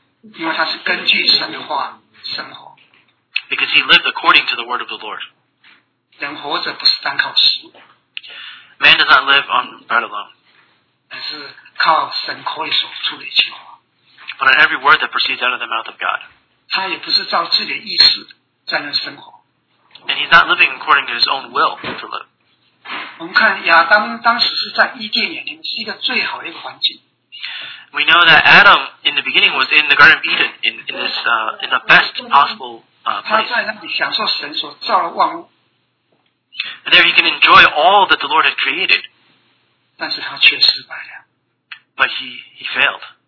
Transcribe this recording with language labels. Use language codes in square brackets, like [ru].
[en] Because he lived according to the word of the Lord. Man does not live on bread alone. But on every word that proceeds out of the mouth of God. [zh] 他也不是照自己的意思在那生活。 [en] And he's not living according to his own will to live. [zh] 我们看亚当当时是在伊甸园里面，是一个最好的一个环境。 [en] We know that Adam in the beginning was in the Garden of Eden in the best possible place. And there he can enjoy all that the Lord had created. But he failed.